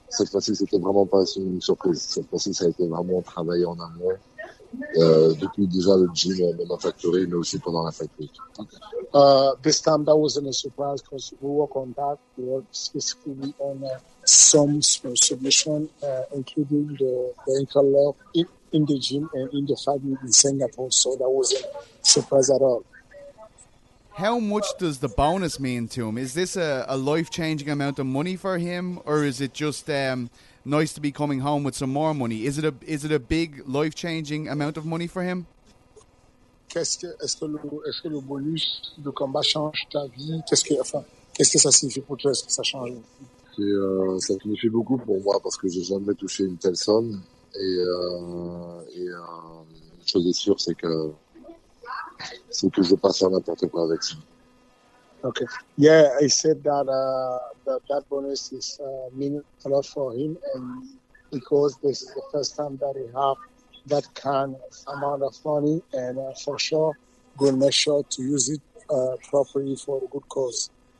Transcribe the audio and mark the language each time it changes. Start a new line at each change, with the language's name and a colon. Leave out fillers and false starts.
French: Cette fois-ci, c'était vraiment pas une surprise. Cette fois-ci, ça a été vraiment travaillé en amont. Depuis déjà le gym, même en factory, mais aussi pendant la fight week.
English: This time that wasn't a surprise because we work on that. We work specifically on some submission, including the ankle lock in the gym and in the fight week in Singapore. So that wasn't a surprise at all. How much does the bonus mean to him? Is this a life-changing amount of money for him, or is it just nice to be coming home with some more money? Is it a big life-changing amount of money for him?
French: Est-ce que le bonus de combat change ta vie? Qu'est-ce que ça signifie pour toi? Est-ce que ça change? Ça signifie beaucoup pour moi parce que j'ai jamais touché une telle somme et une chose est sûre, c'est que je passe à n'importe quoi avec ça.
English: Okay. Yeah, I said that that bonus is mean a lot for him, and because this is the first time that he have that kind of amount of money, and for sure, we'll make sure to use it properly for a good cause.